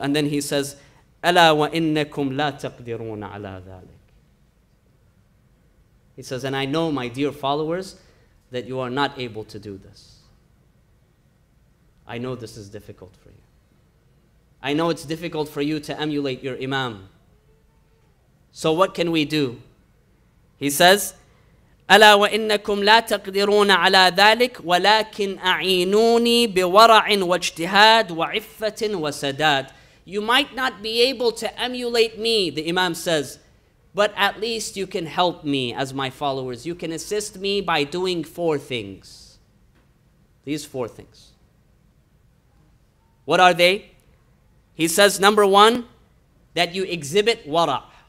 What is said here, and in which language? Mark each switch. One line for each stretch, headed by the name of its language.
English: And then he says,
Arabic: أَلَا وَإِنَّكُمْ لَا تَقْدِرُونَ عَلَىٰ ذَٰلِكَ.
English: He says, and I know, my dear followers, that you are not able to do this. I know this is difficult for you. I know it's difficult for you to emulate your imam. So what can we do? He says,
Arabic: ألا وإنكم لا تقدرون على ذلك ولكن أعينوني بورع واجتهاد وعفة وسداد.
English: You might not be able to emulate me, the Imam says, but at least you can help me as my followers. You can assist me by doing four things. These four things. What are they? He says, number one, that you exhibit wara.